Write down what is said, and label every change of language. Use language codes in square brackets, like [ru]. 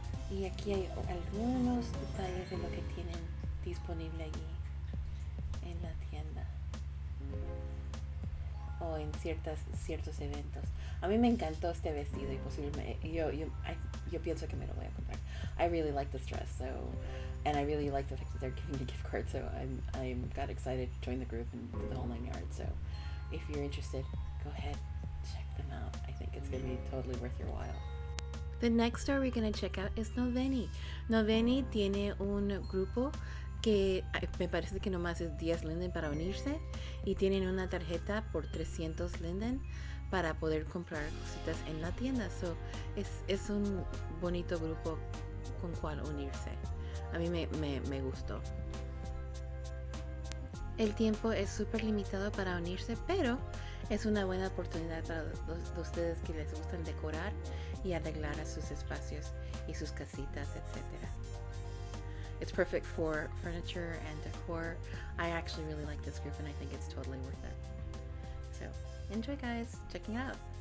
[es] Y aquí hay algunos detalles de lo que tienen disponible allí en la tienda o en ciertos eventos. A mí me encantó este vestido y posiblemente yo pienso que me lo voy a comprar. [en] I really like this dress, so, and I really like the fact that they're giving a gift card, so I'm got excited to join the group and the whole nine yards. So if you're interested, go ahead, check them out. I think it's gonna be totally worth your while. The next store we're going to check out is Noveni. [es] Noveni tiene un grupo que me parece que nomás es 10 linden para unirse y tienen una tarjeta por 300 linden para poder comprar cositas en la tienda. So, es un bonito grupo con cual unirse. A mí me gustó. El tiempo es súper limitado para unirse, pero es una buena oportunidad para los ustedes que les gustan decorar y arreglar a sus espacios y sus casitas, etc. [en] It's perfect for furniture and decor. I actually really like this group and I think it's totally worth it. So, enjoy guys, checking out.